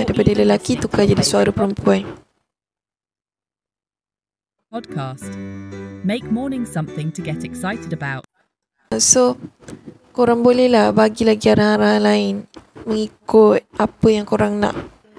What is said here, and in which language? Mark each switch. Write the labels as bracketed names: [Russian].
[Malay] Daripada lelaki, tukar jadi suara perempuan. Podcast. [English] Make morning something to get excited about. [Malay] So, korang bolehlah bagi lagi arahan-arahan lain mengikut apa yang korang nak.